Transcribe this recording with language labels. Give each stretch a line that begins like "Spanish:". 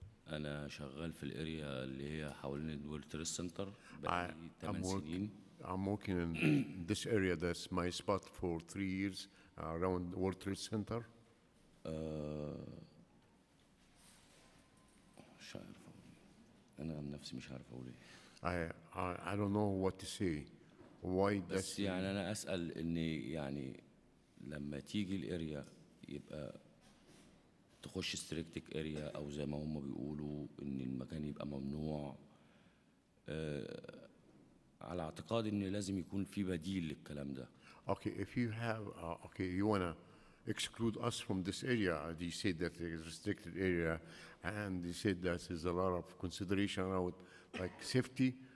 Arabic: أنا شغال في الأريا اللي هي حوالين World Trade Center.
English: I'm working in this area. That's my spot for 3 years around World Trade Center.
Arabic: مش عارف. أنا نفسي مش عارف أقول إيه.
English: I don't know what to say. Why
Arabic: does بس يعني أنا أسأل إني يعني لما تيجي الأريا يبقى تخش ستريكتك اريا او زي ما هم بيقولوا ان المكان يبقى ممنوع على اعتقاد ان لازم يكون في بديل للكلام ده.
English: Okay, if you have okay, you want to exclude us from this area, they said that it is a restricted area and they said that there's a lot of consideration about like safety.